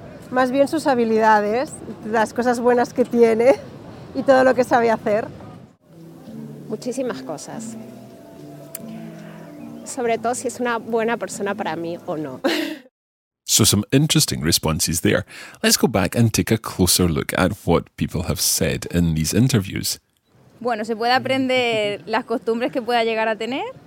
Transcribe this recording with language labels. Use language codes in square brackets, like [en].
[es] Más bien sus habilidades, las cosas buenas que tiene y todo lo que sabe hacer. Muchísimas cosas. Sobre todo si es una buena persona para mí o no. [en] So some interesting responses there. Let's go back and take a closer look at what people have said in these interviews. [es] Bueno, se puede aprender las costumbres que pueda llegar a tener.